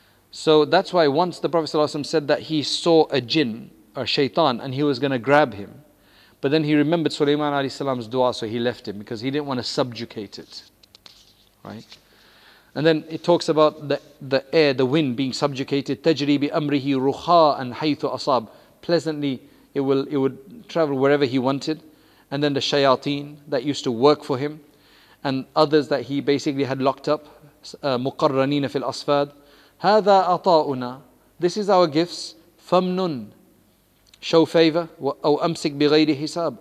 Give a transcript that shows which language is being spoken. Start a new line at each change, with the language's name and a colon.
English: So that's why once the Prophet ﷺ said that he saw a jinn, or shaitan, and he was going to grab him. But then he remembered Sulaiman ﷺ's dua, so he left him, because he didn't want to subjugate it. Right? And then it talks about the air, the wind being subjugated.
Arabic: تَجْرِي بِأَمْرِهِ رُخَاءً حَيْثُ أَصَابْ.
English: Pleasantly, it would travel wherever he wanted. And then the shayateen that used to work for him. And others that he basically had locked up.
Arabic: مُقَرَّنِينَ فِي الْأَصْفَادِ. هَذَا أَطَاؤُنَا.
English: This is our gifts.
Arabic: فَمْنُنْ.
English: Show favor.
Arabic: أَوْ أَمْسِكْ بِغَيْرِ حِسَابٍ.